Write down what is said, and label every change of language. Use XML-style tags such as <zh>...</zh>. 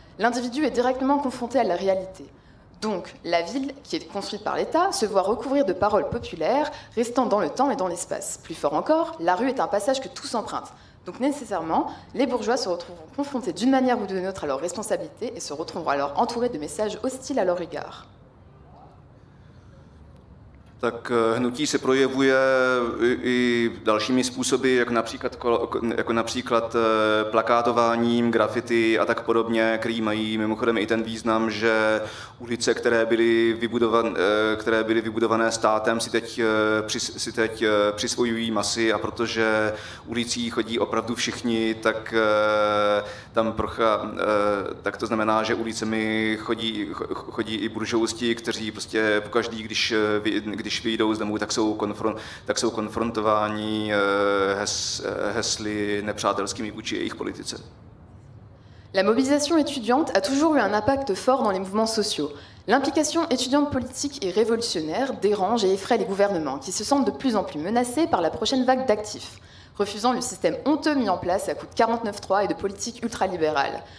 <fr>L'individu est directement confronté à la réalité. Donc, la ville, qui est construite par l'État, se voit recouvrir de paroles populaires, restant dans le temps et dans l'espace. Plus fort encore, la rue est un passage que tous empruntent. Donc nécessairement, les bourgeois se retrouveront confrontés d'une manière ou d'une autre à leurs responsabilités et se retrouveront alors entourés de messages hostiles à leur égard.</fr> <cs>Tak hnutí se projevuje i dalšími způsoby, jako například plakátováním, graffiti a tak podobně, který mají mimochodem i ten význam, že ulice, které byly vybudované státem, si teď přisvojují masy, a protože ulicí chodí opravdu všichni, tak tam procha, tak to znamená, že ulicemi chodí i buržousti, kteří prostě pokaždý, když vyjdou z domů, tak jsou konfrontováni hesly nepřátelskými vůči jejich politice.</cs> <fr>La mobilisation étudiante a toujours eu un impact fort dans les mouvements sociaux. L'implication étudiante politique et révolutionnaire dérange et effraie les gouvernements, qui se sentent de plus en plus menacés par la prochaine vague d'actifs, refusant le système honteux mis en place à coup de 49-3 et de politique ultralibérale.</fr>